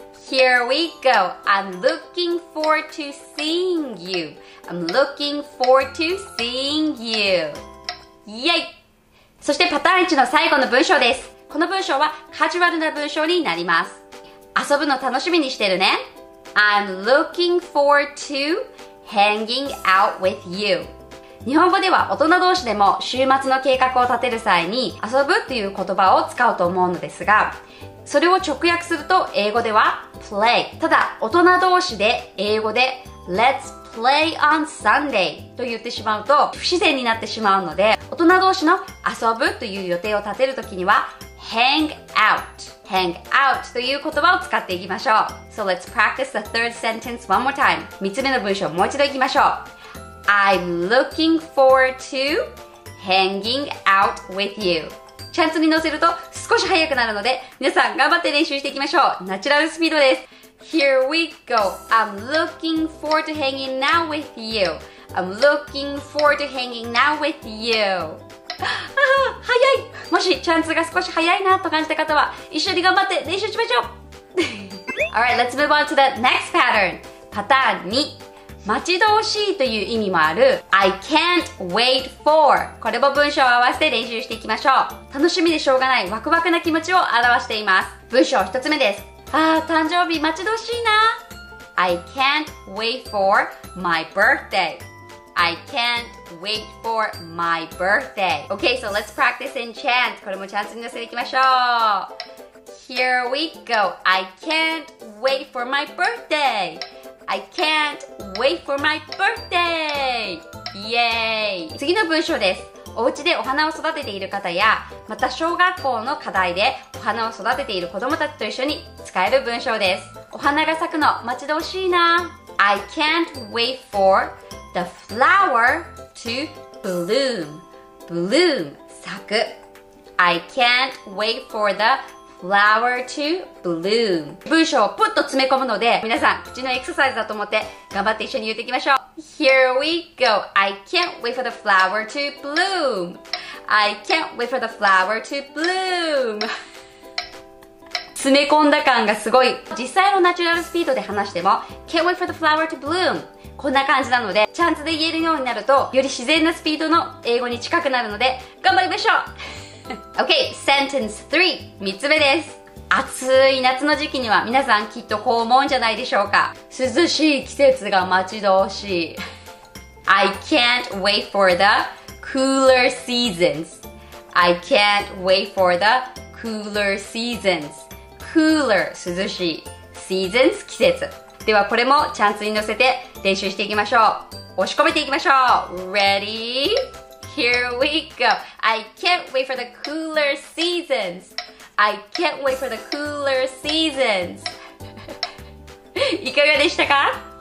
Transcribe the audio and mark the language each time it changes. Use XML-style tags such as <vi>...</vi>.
<en>Here we go. I'm looking forward to seeing you. I'm looking forward to seeing you. Yay!</en> <ja>そしてパターン1の最後の文章です。この文章はカジュアルな文章になります。遊ぶの楽しみにしてるね。</ja> <en>I'm looking forward to hanging out with you.</en> <ja>日本語では大人同士でも週末の計画を立てる際に遊ぶっていう言葉を使うと思うのですがそれを直訳すると英語では play ただ大人同士で英語で</ja> <en>Let's play on Sunday</en> <ja>と言ってしまうと不自然になってしまうので大人同士の遊ぶという予定を立てるときには Hang out という言葉を使っていきましょう。</ja> <en>So let's practice the third sentence one more time</en> <ja>3つ目の文章もう一度いきましょう。</ja> <en>I'm looking forward to hanging out with you.</en> <ja>チャンスに乗せると少し早くなるので、皆さん頑張って練習していきましょう。ナチュラルスピードです。</ja> <en>Here we go. I'm looking forward to hanging out with you. I'm looking forward to hanging out with you.</en> <ja>あ、早い。もしチャンスが少し早いなと感じた方は、一緒に頑張って練習しましょう。</ja> <en>Alright, let's move on to the next pattern.</en> <ja>パターン2。待ち遠しいという意味もある</ja> <en>I can't wait for</en> <ja>これも文章を合わせて練習していきましょう。楽しみでしょうがないワクワクな気持ちを表しています。文章一つ目です。ああ誕生日待ち遠しいな。</ja> <en>I can't wait for my birthday I can't wait for my birthday OK, so let's practice in chant</en> <ja>これもチャンスに乗せていきましょう。</ja> <en>Here we go I can't wait for my birthdayI can't wait for my birthday! Yay!</en> <ja>次の文章です。お家でお花を育てている方や、また小学校の課題でお花を育てている子供たちと一緒に使える文章です。お花が咲くの待ち遠しいな。</ja> <en>I can't wait for the flower to bloom.</en> <ja>Bloom, 咲く。</ja> <en>I can't wait for theflower to bloom</en> <ja>文章をプッと詰め込むので皆さん口のエクササイズだと思って頑張って一緒に言っていきましょう。</ja> <en>Here we go I can't wait for the flower to bloom I can't wait for the flower to bloom</en> <ja>詰め込んだ感がすごい。実際のナチュラルスピードで話しても</ja> <en>Can't wait for the flower to bloom</en> <ja>こんな感じなのでチャンスで言えるようになるとより自然なスピードの英語に近くなるので頑張りましょう。</ja> <en>Okay, sentence 3.</en> <ja>3つ目です。暑い夏の時期には皆さんきっとこう思うんじゃないでしょうか。涼しい季節が待ち遠しい。</ja> <en>I can't wait for the cooler seasons. I can't wait for the cooler seasons. Cooler, 涼しい。 seasons 季節。</en> <ja>ではこれもチャンスに乗せて練習していきましょう。押し込めていきましょう。</ja> <en>Ready? Here we go. I can't wait for the cooler seasons. I can't wait for the cooler seasons.</en> <ja>いかがでしたか？</ja>